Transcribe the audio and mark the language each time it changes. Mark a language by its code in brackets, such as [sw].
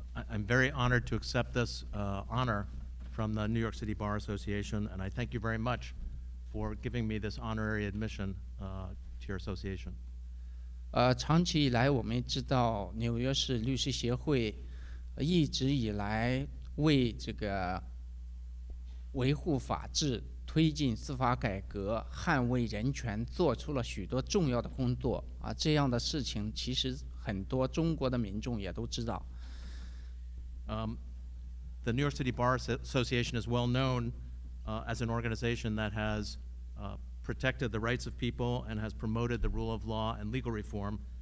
[en] I'm very honored to accept this honor from the New York City Bar Association, and I thank you very much for giving me this honorary admission to your association. [zh] 长期以来，我们知道纽约市律师协会一直以来为这个维护法治、推进司法改革、捍卫人权做出了许多重要的工作。啊，这样的事情其实很多中国的民众也都知道。 [en] The New York City Bar Association is well known as an organization that has protected the rights of people and has promoted the rule of law and legal reform.